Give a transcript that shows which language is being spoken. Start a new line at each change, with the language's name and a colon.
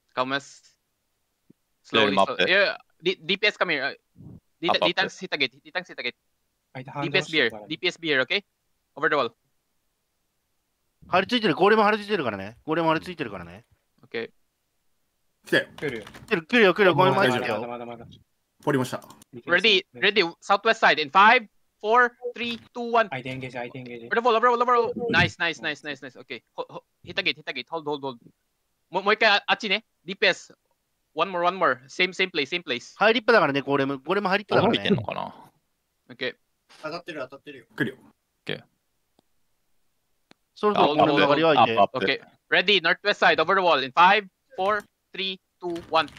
English: カムス。スローリーマップ。DPS come here. D-Tanks hit again. DPS beer. DPS beer, okay? Over the wall.
Japanese: 張り付いてる、ゴーレム張り付いてるからね。ゴーレム張り付いてるからね。
English: Okay.
Japanese: 来るよ、ゴーレム張り付いてるよ。ポリました。
English: Ready, southwest side in 5. 4, 3, 2, 1. I think it. Over the wall. Nice. Okay. Hit the gate. Hold.
Japanese: もう一回あっちね。
English: DPS. One more. Same place.
Japanese: 入りっぱだからね、ゴーレム。ゴーレム入りっぱだからね。伸びてんのかな。
English: Okay.
Japanese: 当たってるよ。来るよ。
English: Okay.
Japanese: そろそろこの流れはいいね。
English: Okay. Ready, northwest side, over the wall. In 5, 4, 3, 2, 1.